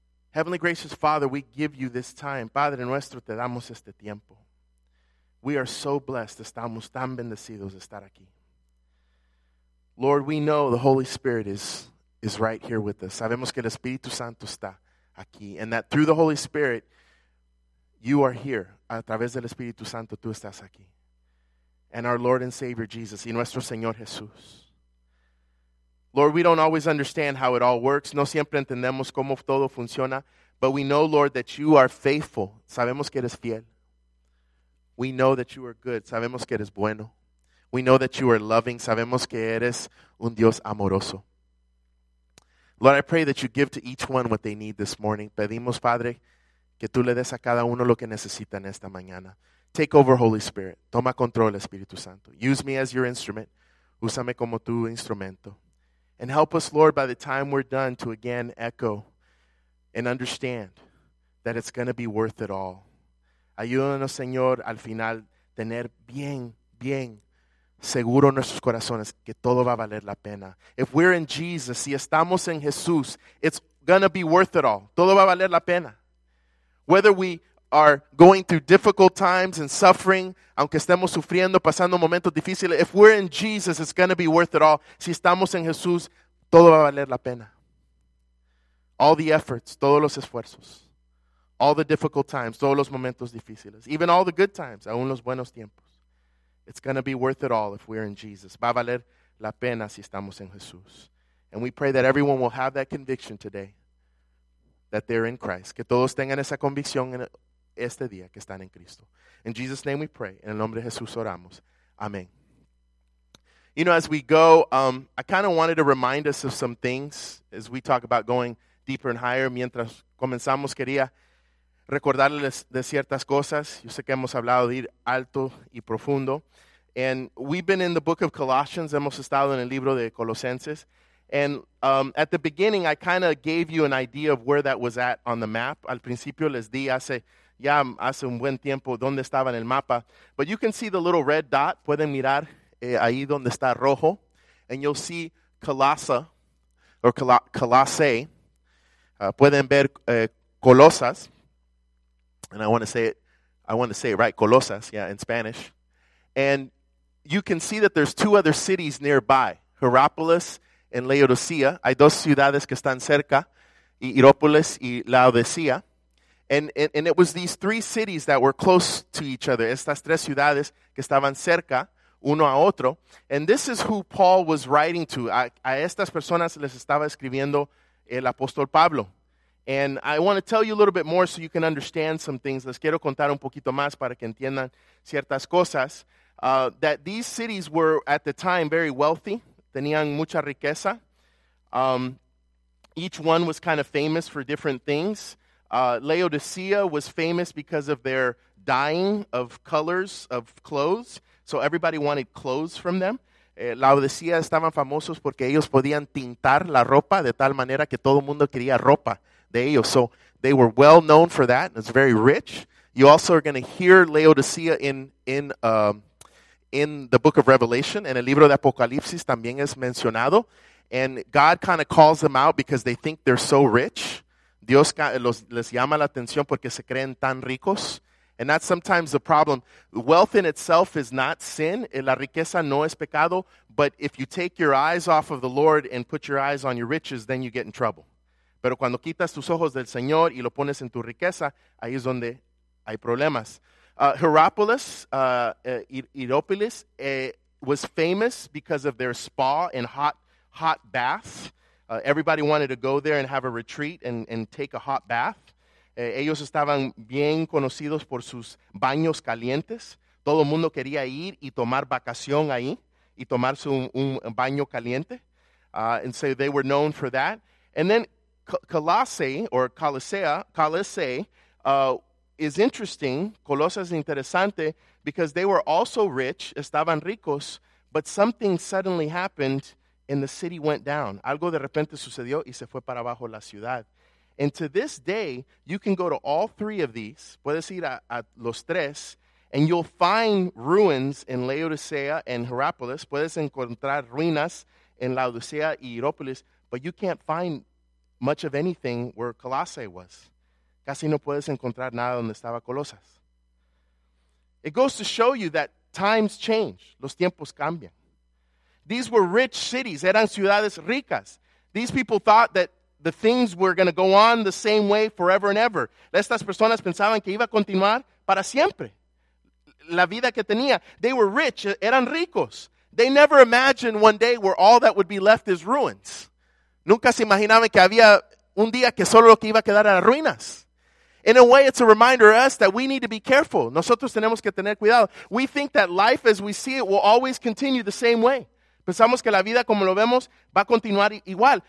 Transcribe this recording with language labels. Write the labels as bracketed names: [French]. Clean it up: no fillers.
[English] Heavenly gracious Father, we give you this time. [Spanish] Padre nuestro, te damos este tiempo. [English] We are so blessed. [Spanish] Estamos tan bendecidos de estar aquí. [English] Lord, we know the Holy Spirit is right here with us. [Spanish] Sabemos que el Espíritu Santo está aquí. [English] And that through the Holy Spirit, you are here. [Spanish] A través del Espíritu Santo, tú estás aquí. [English] And our Lord and Savior Jesus, [Spanish] y nuestro Señor Jesús. [English] Lord, we don't always understand how it all works. [Spanish] No siempre entendemos cómo todo funciona. [English] But we know, Lord, that you are faithful. [Spanish] Sabemos que eres fiel. [English] We know that you are good. [Spanish] Sabemos que eres bueno. [English] We know that you are loving. [Spanish] Sabemos que eres un Dios amoroso. [English] Lord, I pray that you give to each one what they need this morning. [Spanish] Pedimos, Padre, que tú le des a cada uno lo que necesitan esta mañana. [English] Take over, Holy Spirit. [Spanish] Toma control, Espíritu Santo. [English] Use me as your instrument. [Spanish] Úsame como tu instrumento. [English] And help us, Lord, by the time we're done, to again echo and understand that it's going to be worth it all. [Spanish] Ayúdanos, Señor, al final, tener bien, bien seguro nuestros corazones que todo va a valer la pena. [English] If we're in Jesus, [Spanish] si estamos en Jesús, [English] it's going to be worth it all. [Spanish] Todo va a valer la pena. [English] Whether we are going through difficult times and suffering, [Spanish] aunque estemos sufriendo, pasando momentos difíciles, [English] if we're in Jesus, it's going to be worth it all. [Spanish] Si estamos en Jesús, todo va a valer la pena. [English] All the efforts, [Spanish] todos los esfuerzos. [English] All the difficult times, [Spanish] todos los momentos difíciles. [English] Even all the good times, [Spanish] aún los buenos tiempos. [English] It's going to be worth it all if we're in Jesus. [Spanish] Va a valer la pena si estamos en Jesús. [English] And we pray that everyone will have that conviction today that they're in Christ. [Spanish] Que todos tengan esa convicción en este día que están en Cristo. [English] In Jesus' name we pray. [Spanish] En el nombre de Jesús oramos. Amén. [English] You know, as we go, I kind of wanted to remind us of some things as we talk about going deeper and higher. [Spanish] Mientras comenzamos, quería recordarles de ciertas cosas. Yo sé que hemos hablado de ir alto y profundo. [English] And we've been in the book of Colossians. [Spanish] Hemos estado en el libro de Colosenses. [English] And at the beginning, I kind of gave you an idea of where that was at on the map. [Spanish] Al principio les di hace un buen tiempo dónde estaba en el mapa. [English] But you can see the little red dot. [Spanish] Pueden mirar ahí donde está rojo. [English] And you'll see Colossae. [Spanish] Pueden ver Colosas. [English] And I want to say it right, Colosas, yeah, in Spanish. And you can see that there's two other cities nearby, Hierapolis and Laodicea. [Spanish] Hay dos ciudades que están cerca, Hierapolis y Laodicea. [English] And it was these three cities that were close to each other, [Spanish] estas tres ciudades que estaban cerca uno a otro. [English] And this is who Paul was writing to. [Spanish] A estas personas les estaba escribiendo el apóstol Pablo. [English] And I want to tell you a little bit more so you can understand some things. [Spanish] Les quiero contar un poquito más para que entiendan ciertas cosas. [English] That these cities were, at the time, very wealthy. [Spanish] Tenían mucha riqueza. [English] Each one was kind of famous for different things. Laodicea was famous because of their dyeing of colors, of clothes. So everybody wanted clothes from them. [Spanish] Laodicea estaban famosos porque ellos podían tintar la ropa de tal manera que todo mundo quería ropa de ellos. [English] So they were well known for that. It's very rich. You also are going to hear Laodicea in the book of Revelation. [Spanish] En el libro de Apocalipsis también es mencionado. [English] And God kind of calls them out because they think they're so rich. [Spanish] Dios les llama la atención porque se creen tan ricos. [English] And that's sometimes the problem. Wealth in itself is not sin. [Spanish] La riqueza no es pecado. [English] But if you take your eyes off of the Lord and put your eyes on your riches, then you get in trouble. [Spanish] Pero cuando quitas tus ojos del Señor y lo pones en tu riqueza, ahí es donde hay problemas. [English] Hierapolis was famous because of their spa and hot baths. Everybody wanted to go there and have a retreat and take a hot bath. [Spanish] Ellos estaban bien conocidos por sus baños calientes. Todo el mundo quería ir y tomar vacación ahí y tomarse un baño caliente. [English] And so they were known for that. And then Colossae is interesting. [Spanish] Colosas es interesante [English] because they were also rich, [Spanish] estaban ricos, [English] but something suddenly happened and the city went down. [Spanish] Algo de repente sucedió y se fue para abajo la ciudad. [English] And to this day, you can go to all three of these, [Spanish] puedes ir a los tres, [English] and you'll find ruins in Laodicea and Hierapolis. [Spanish] Puedes encontrar ruinas en Laodicea y Hierapolis, [English] but you can't find much of anything where Colossae was. [Spanish] Casi no puedes encontrar nada donde estaba Colosas. [English] It goes to show you that times change. [Spanish] Los tiempos cambian. [English] These were rich cities. [Spanish] Eran ciudades ricas. [English] These people thought that the things were going to go on the same way forever and ever. [Spanish] Estas personas pensaban que iba a continuar para siempre. La vida que tenía. [English] They were rich. [Spanish] Eran ricos. [English] They never imagined one day where all that would be left is ruins. [Spanish] Nunca se imaginaban que había un día que solo lo que iba a quedar eran ruinas. [English] In a way, it's a reminder to us that we need to be careful. [Spanish] Nosotros tenemos que tener cuidado. [English] We think that life as we see it will always continue the same way. [Spanish] Pensamos que la vida como lo vemos va a continuar igual.